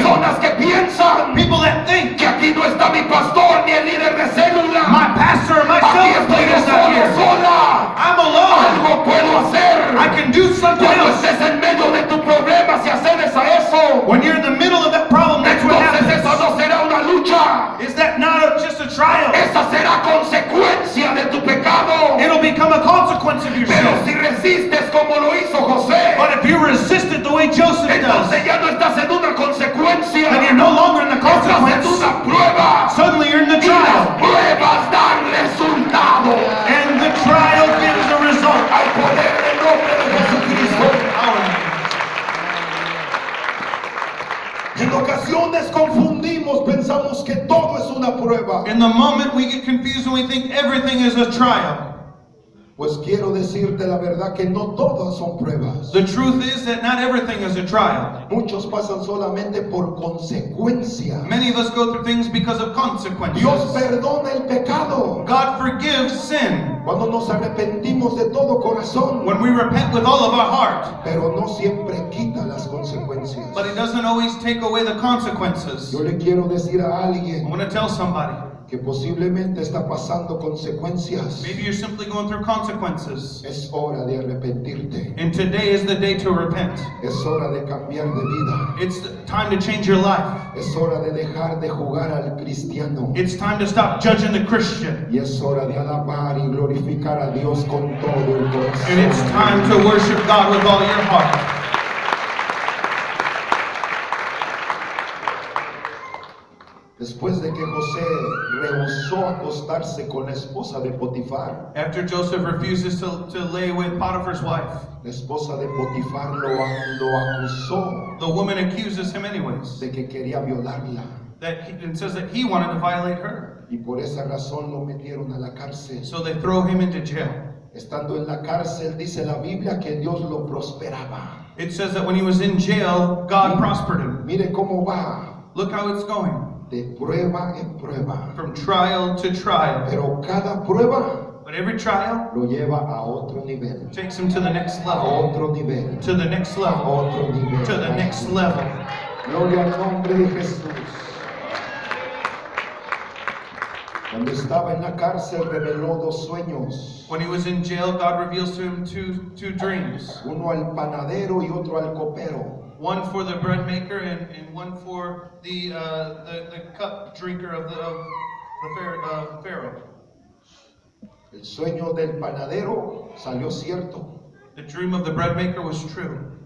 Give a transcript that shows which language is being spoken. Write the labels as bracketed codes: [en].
[es] Hay personas que piensan. [en] People that think. [es] Que aquí no está mi pastor ni el líder de célula. [en] My pastor or my self leader is not here. [es] Sola. [en] I'm alone. [es] Algo puedo hacer. [en] I can do something [es] cuando [en] else. [es] Estés en medio de tu problema, si accedes a eso. [en] When you're in the middle of that problem, that's [es] entonces [en] what happens. [es] Eso no será una lucha. [en] Is that not just a trial? [es] Esa será consecuencia de tu pecado. [en] It'll become a consequence of your sin. [es] Pero si resistes como lo hizo José. [en] But if you resist it the way Joseph [es] entonces [en] does. [es] Ya no estás en una consecuencia. [en] Then you're no longer in the consequence. [es] Estás en una prueba. [en] Suddenly you're in the trial. [es] Y las pruebas dan resultado. [en] And the trial gives a result. [es] Al poder del nombre de Jesucristo. En ocasiones confundimos, pensamos que todo es una prueba. [en] In the moment we get confused and we think everything is a trial. [es] Pues quiero decirte la verdad que no todas son pruebas. [en] The truth is that not everything is a trial. [es] Muchos pasan solamente por consecuencia. [en] Many of us go through things because of consequences. [es] Dios perdona el pecado. [en] God forgives sin. [es] Cuando nos arrepentimos de todo corazón. [en] When we repent with all of our heart. [es] Pero no siempre quita las consecuencias. [en] But it doesn't always take away the consequences. [es] Yo le quiero decir a alguien. [en] I want to tell somebody. [es] Que posiblemente está pasando consecuencias. [en] Maybe you're simply going through consequences. [es] Es hora de arrepentirte. [en] And today is the day to repent. [es] Es hora de cambiar de vida. [en] It's time to change your life. [es] Es hora de dejar de jugar al cristiano. [en] It's time to stop judging the Christian. [es] Y es hora de alabar y glorificar a Dios con todo el corazón. [en] And it's time to worship God with all your heart. [es] Después de que José rehusó acostarse con la esposa de Potifar. [en] After Joseph refuses to lay with Potiphar's wife. [es] La esposa de Potifar lo acusó. [en] The woman accuses him anyways. [es] De que quería violarla. [en] That he, and says that he wanted to violate her. [es] Y por esa razón lo metieron a la cárcel. [en] So they throw him into jail. [es] Estando en la cárcel, dice la Biblia que Dios lo prosperaba. [en] It says that when he was in jail, God prospered him. [es] Mire cómo va. [en] Look how it's going. [es] De prueba en prueba. [en] From trial to trial. [es] Pero cada prueba. [en] But every trial. [es] Lo lleva a otro nivel. [en] Takes him to the next level. [es] A otro nivel. [en] To the next level. [es] A otro nivel. [en] To the next level. [es] Gloria al nombre de Jesús. Cuando estaba en la cárcel reveló dos sueños. [en] When he was in jail, God reveals to him two dreams. [es] Uno al panadero y otro al copero. [en] One for the bread maker and one for the cup drinker of the Pharaoh. [es] El sueño del panadero salió cierto. [en] The dream of the bread maker was true.